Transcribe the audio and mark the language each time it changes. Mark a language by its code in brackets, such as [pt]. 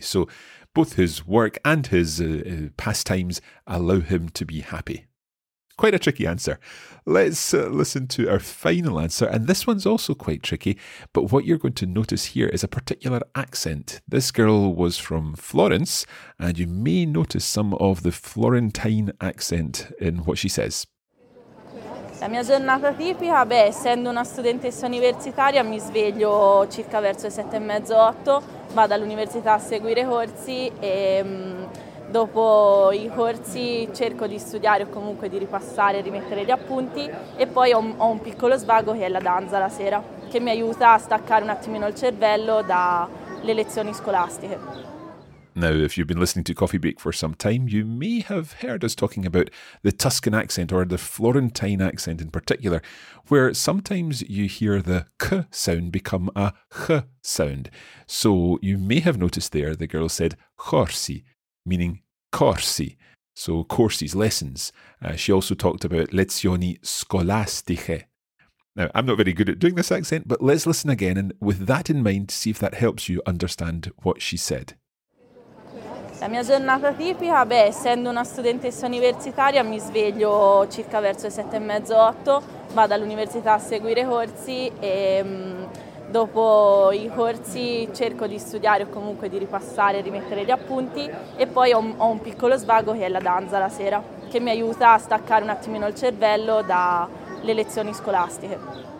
[en] So both his work and his pastimes allow him to be happy. Quite a tricky answer. Let's listen to our final answer. And this one's also quite tricky. But what you're going to notice here is a particular accent. This girl was from Florence, and you may notice some of the Florentine accent in what she says. [it] La mia giornata tipica, beh, essendo una studentessa universitaria, mi sveglio circa verso le 7:30, 8, vado all'università a seguire corsi e dopo i corsi cerco di studiare o comunque di ripassare e rimettere gli appunti e poi ho un piccolo svago che è la danza la sera, che mi aiuta a staccare un attimino il cervello dalle lezioni scolastiche. [en] Now, if you've been listening to Coffee Break for some time, you may have heard us talking about the Tuscan accent or the Florentine accent in particular, where sometimes you hear the K sound become a H sound. So you may have noticed there the girl said corsi, meaning corsi, so courses, lessons. She also talked about lezioni scolastiche. Now, I'm not very good at doing this accent, but let's listen again and with that in mind, see if that helps you understand what she said. [it] La mia giornata tipica, beh, essendo una studentessa universitaria, mi sveglio circa verso le 7:30, 8, vado all'università a seguire corsi e dopo i corsi cerco di studiare o comunque di ripassare e rimettere gli appunti e poi ho un piccolo svago che è la danza la sera, che mi aiuta a staccare un attimino il cervello dalle lezioni scolastiche.